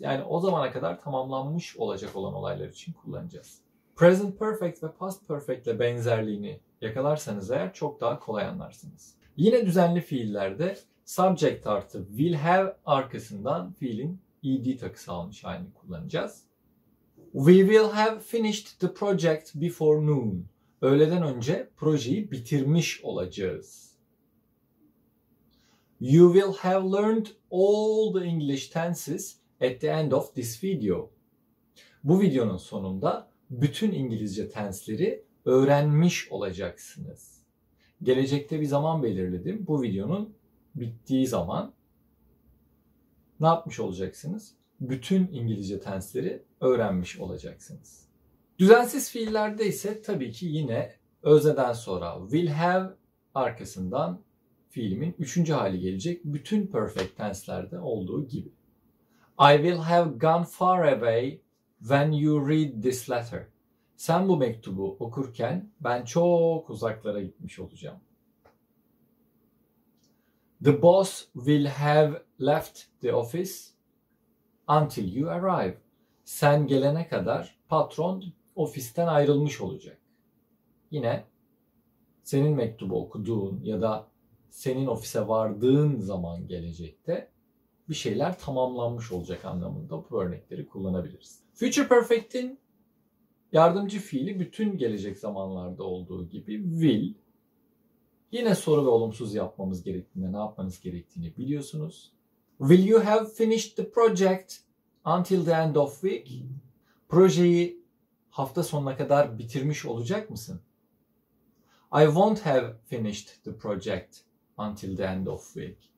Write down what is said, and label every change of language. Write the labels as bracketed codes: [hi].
[tr] Yani o zamana kadar tamamlanmış olacak olan olaylar için kullanacağız. Present perfect ve past perfect ile benzerliğini yakalarsanız eğer çok daha kolay anlarsınız. Yine düzenli fiillerde subject artı will have arkasından fiilin ed takısı almış halini kullanacağız. [en] We will have finished the project before noon. [tr] Öğleden önce projeyi bitirmiş olacağız. [en] You will have learned all the English tenses at the end of this video. [tr] Bu videonun sonunda bütün İngilizce tensleri öğrenmiş olacaksınız. Gelecekte bir zaman belirledim. Bu videonun bittiği zaman ne yapmış olacaksınız? Bütün İngilizce tensleri öğrenmiş olacaksınız. Düzensiz fiillerde ise tabii ki yine özneden sonra will have arkasından fiilimin üçüncü hali gelecek. Bütün perfect tenslerde olduğu gibi. [en] I will have gone far away when you read this letter. [tr] Sen bu mektubu okurken ben çok uzaklara gitmiş olacağım. [en] The boss will have left the office until you arrive. [tr] Sen gelene kadar patron ofisten ayrılmış olacak. Yine senin mektubu okuduğun ya da senin ofise vardığın zaman gelecekte bir şeyler tamamlanmış olacak anlamında bu örnekleri kullanabiliriz. Future Perfect'in yardımcı fiili bütün gelecek zamanlarda olduğu gibi will. Yine soru ve olumsuz yapmamız gerektiğinde ne yapmanız gerektiğini biliyorsunuz. [en] Will you have finished the project until the end of week? [tr] Projeyi hafta sonuna kadar bitirmiş olacak mısın? [en] I won't have finished the project until the end of week.